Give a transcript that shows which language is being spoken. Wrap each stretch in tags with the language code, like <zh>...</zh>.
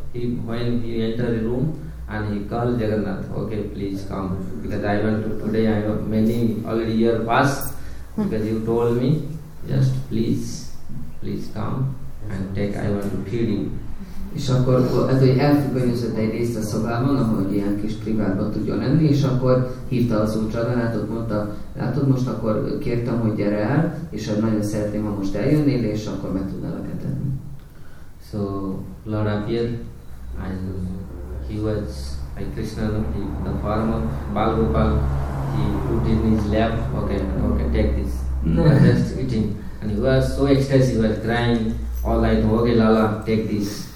<en>When he entered the room and he called Jagannath, okay, please come, because I want to, today I have many already year passed, because you told me, just please come and take, I want to feed you.</en> <hu>És akkor ez egy elfüggönyözött egy részt a szobában, ahogy ilyen kis privátban tudjon lenni, és akkor hívta az úr Jagannathot, mondta, látod, most akkor kértem, hogy gyere el, és nagyon szeretném, ha most eljönnél, és akkor meg tudnálak etetni.</hu> <en>So, Lord appeared. And he was like Krishna, the form of Bal Gopal. He put in his lap, okay, take this. No, just eating. And he was so ecstatic, he was crying, all like, okay, Lala, take this.</en>